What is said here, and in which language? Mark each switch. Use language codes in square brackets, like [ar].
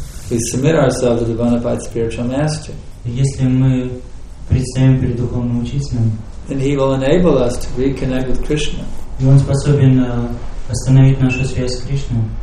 [en] We submit ourselves to the bona fide spiritual master. [ru] Если мы предстаем перед духовным учителем, [en] then he will enable us to reconnect with Krishna. [ru] И он способен остановить нашу связь с Кришной.